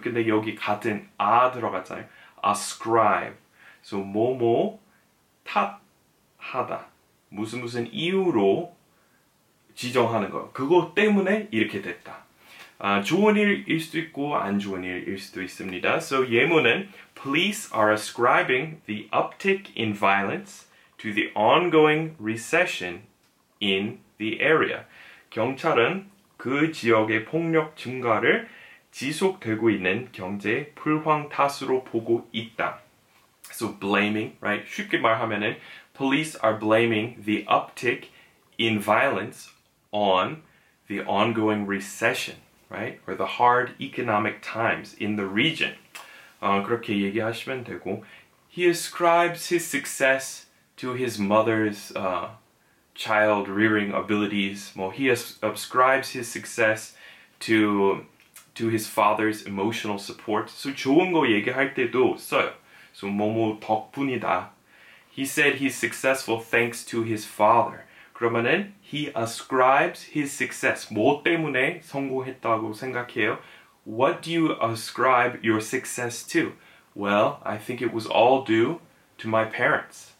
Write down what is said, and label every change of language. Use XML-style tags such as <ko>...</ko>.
<ko>근데 여기 같은 아 들어갔잖아요. Ascribe. So 뭐뭐 탓하다. 무슨 무슨 이유로 지정하는 거. 그거 때문에 이렇게 됐다. 좋은 일일 수도 있고 안 좋은 일일 수도 있습니다.</ko> <en>So 예문은 Police are ascribing the uptick in violence to the ongoing recession in the area.</en> <ko>경찰은 그 지역의 폭력 증가를 지속되고 있는 경제 불황 탓으로 보고 있다.</ko> <en>So blaming, right?</en> <ko>쉽게 말하면은</ko> <en>Police are blaming the uptick in violence on the ongoing recession, right? Or the hard economic times in the region.</en> <ko>그렇게 얘기하시면 되고</ko> <en>He ascribes his success to his mother's child rearing abilities. Well, he ascribes his success to his father's emotional support.</en> <ko>So 좋은 거 얘기할 때도 써요.</ko> <en>So</en> <ko>뭐뭐 덕분이다.</ko> <en>He said he's successful thanks to his father. 그러면은 he ascribes his success.</en> <ko>뭐 때문에 성공했다고 생각해요?</ko> <en>What do you ascribe your success to? Well, I think it was all due to my parents.</en>